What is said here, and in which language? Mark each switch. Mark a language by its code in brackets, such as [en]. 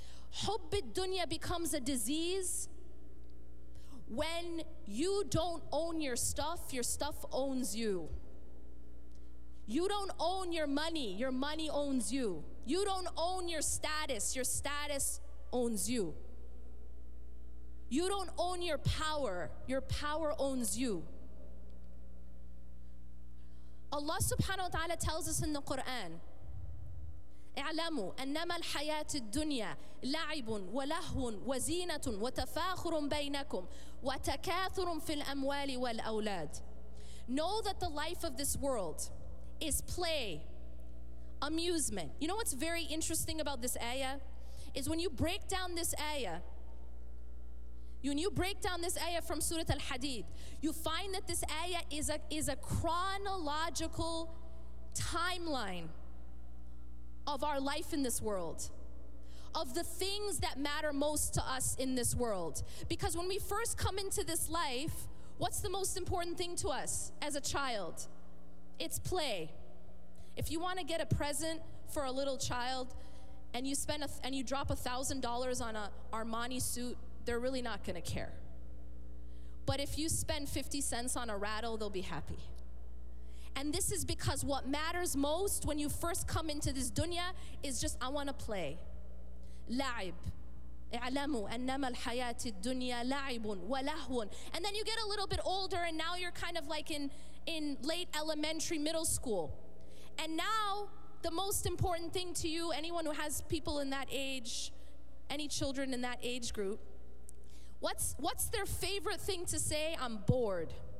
[en] Hubb al-dunya becomes a disease when you don't own your stuff owns you. You don't own your money owns you. You don't own your status owns you. You don't own your power owns you. Allah subhanahu wa ta'ala tells us in the Quran, [ar] اعلموا أنما الحياة الدنيا لعب ولهو وزينة وتفاخر بينكم وتكاثر في الأموال والأولاد. [en] Know that the life of this world is play, amusement. You know what's very interesting about this ayah? Is when you break down this ayah, when you break down this ayah from Surah Al-Hadid, you find that this ayah is a chronological timeline of our life in this world, of the things that matter most to us in this world. Because when we first come into this life, what's the most important thing to us as a child? It's play. If you want to get a present for a little child and you spend and you drop $1,000 on a Armani suit, they're really not going to care. But if you spend 50 cents on a rattle, they'll be happy. And this is because what matters most when you first come into this dunya is just, I want to play. La'ib. [ar] اعلموا أنما الحياة الدنيا لعب ولهو. [en] And then you get a little bit older and now you're kind of like in late elementary, middle school. And now, the most important thing to you, anyone who has people in that age, any children in that age group, what's their favorite thing to say? I'm bored.